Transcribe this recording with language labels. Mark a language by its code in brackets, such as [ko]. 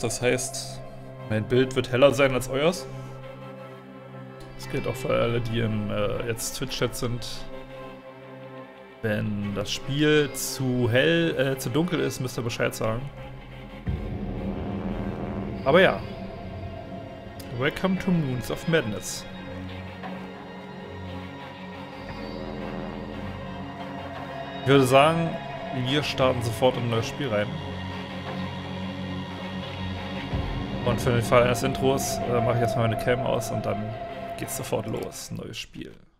[de] Das heißt, mein Bild wird heller sein als euers. Das gilt auch für alle, die im jetzt Twitch-Chat sind. Wenn das Spiel zu hell, zu dunkel ist, müsst ihr Bescheid sagen. Aber ja. [en] Welcome to Moons of Madness. [de] Ich würde sagen, wir starten sofort in ein neues Spiel rein. Und für den Fall eines Intros mache ich erstmal meine Cam aus und dann geht's sofort los, neues Spiel.